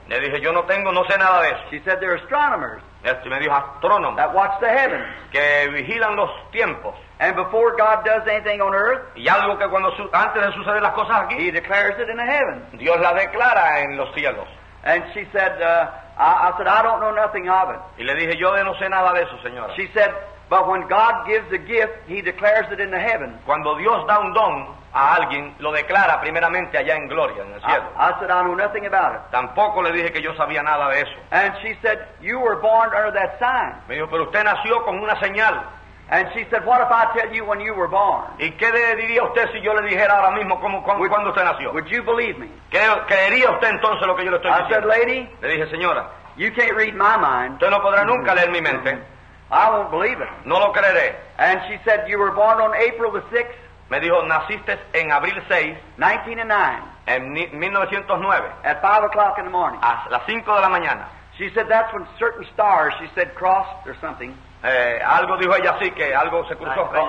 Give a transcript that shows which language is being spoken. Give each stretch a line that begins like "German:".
Spanish: Le dije, yo no tengo, no sé nada de eso.
English: She said, they're astronomers.
Spanish: Este me dijo, astrónomos.
English: That watch the heavens.
Spanish: Que vigilan los tiempos.
English: And before God does anything on earth,
Spanish: y algo que cuando antes de suceder las cosas aquí,
English: He declares it in the heavens.
Spanish: Dios la declara en los cielos.
English: And she said, I said, I don't know nothing of it.
Spanish: Y le dije, yo de no sé nada de eso, señora.
English: She said, but when God gives a gift, He declares it in the heavens.
Spanish: Cuando Dios da un don a alguien, lo declara primeramente allá en gloria, en el cielo.
English: I said, I know nothing about it.
Spanish: Tampoco le dije que yo sabía nada de eso.
English: And she said, you were born under that sign.
Spanish: Me dijo, pero usted nació con una señal.
English: And she said, what if I tell you when you were born?
Spanish: ¿Y qué le diría usted si yo le dijera ahora mismo cuándo usted nació?
English: Would you believe me?
Spanish: ¿Qué creería usted entonces lo que yo le estoy
English: I
Spanish: diciendo?
English: I said, lady,
Spanish: le dije, señora,
English: you can't read my mind.
Spanish: Usted no podrá nunca leer mi mente.
English: I won't believe it.
Spanish: No lo creeré.
English: And she said, you were born on April the 6th.
Spanish: Me dijo, naciste en abril 6,
English: 1909,
Spanish: en 1909,
English: at 5 o'clock in the morning.
Spanish: A las 5 de la mañana.
English: She said, that's when certain stars, she said, crossed or something.
Spanish: Algo dijo ella así, que algo se cruzó.